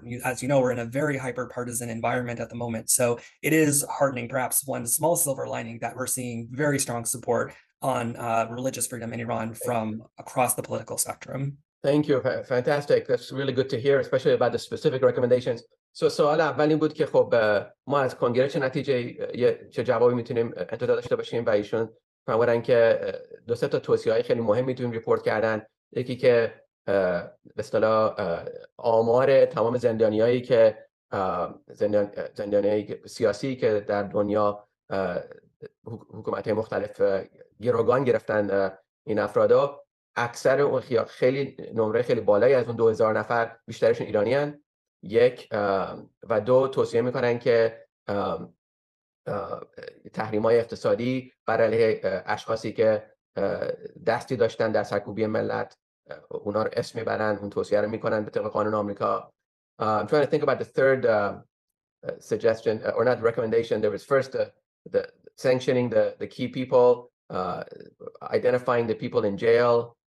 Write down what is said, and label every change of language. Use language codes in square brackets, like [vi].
[en] And as you know, we're in a very hyper-partisan environment at the moment. So it is heartening, perhaps one small silver lining, that we're seeing very strong support on religious freedom in Iran from across the political spectrum. Thank you. Fantastic. That's really good to hear, especially about the specific recommendations. [fa] So سوال اول این بود که خب ما از کنگره چه نتیجه یه چه جوابی میتونیم انتظار داشته باشیم و ایشون فرمودن که دو سه تا توصیه‌های خیلی مهمی توی این ریپورت کردن. یکی که به اصطلاح آمار تمام زندانیایی که زندانیای سیاسی که در دنیا حکومت‌های مختلف گروگان گرفتن این افرادا اکثر اون خیلی نمره خیلی بالایی از اون 2000 نفر بیشترشون ایرانیان. یک و دو توصیه میکنن که تحریم‌های اقتصادی بر علیه اشخاصی که دستی داشتن در سرکوبی ملت اونا رو اسم میبرن، اون توصیه رو میکنن به طبق قانون آمریکا. [en] I'm trying to think about the third suggestion or not recommendation. There was first the sanctioning the key people, identifying the people in jail.